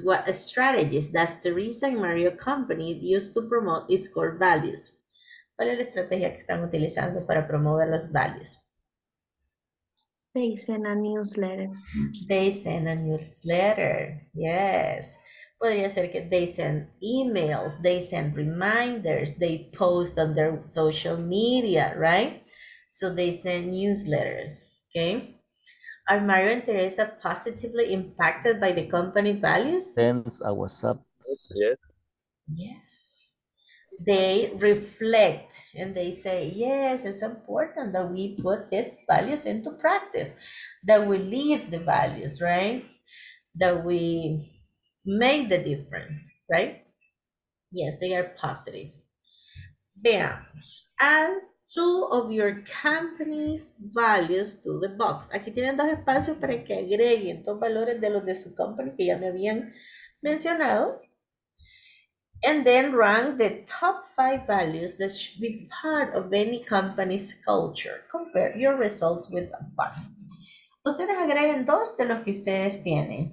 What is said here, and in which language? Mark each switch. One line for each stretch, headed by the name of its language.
English: What strategies does Teresa and Mario company use to promote its core values?
Spanish: ¿Cuál es la estrategia que están utilizando para promover los values?
English: They send a newsletter. They send a newsletter. Yes.
Spanish: Podría ser que
English: they send emails, they send reminders, they post on their social media, right? So they send newsletters. Okay. Are Mario and Teresa positively impacted by the company values? Sends a WhatsApp. Yes. Yes. They reflect and they say, yes, it's important that we put these values into practice, that we live the values, right? That we make the difference, right? Yes, they are positive.
Spanish: Veamos.
English: And two of your company's values to the box.
Spanish: Aquí tienen dos espacios para que agreguen dos valores de los de su company que ya me habían mencionado.
English: And then rank the top five values that should be part of any company's culture. Compare your results with a box.
Spanish: Ustedes agreguen dos de los que ustedes tienen.